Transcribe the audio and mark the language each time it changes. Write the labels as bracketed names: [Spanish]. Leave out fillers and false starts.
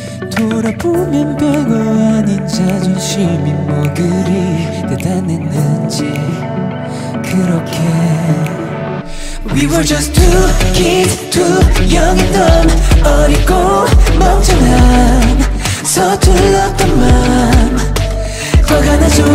[Korean] 돌아보면 별거 아닌 자존심이 뭐 그리 대단했는지. 그렇게 [English] We were just two kids, too young and dumb. [Korean] 어리고 멍청한 서툴렀던 맘 화가 나죠.